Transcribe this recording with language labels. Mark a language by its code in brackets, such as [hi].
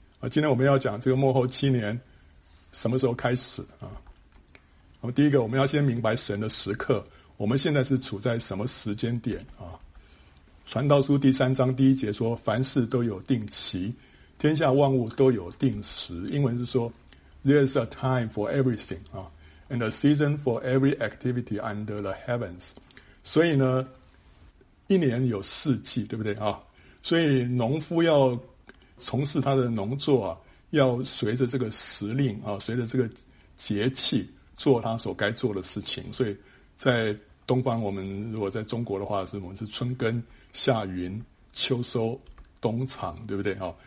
[zh] 今天我们要讲这个末后七年什么时候开始啊？那么第一个，我们要先明白神的时刻，我们现在是处在什么时间点啊？传道书第三章第一节说，凡事都有定期，天下万物都有定时。英文是说 [en] There's a time for everything and a season for every activity under the heavens。 [zh] 所以呢，一年有四季，对不对啊？所以农夫要从事他的农作啊，要随着这个时令啊，随着这个节气做他所该做的事情。所以在东方，我们如果在中国的话，是我们是春耕、夏耘、秋收、冬藏，对不对啊？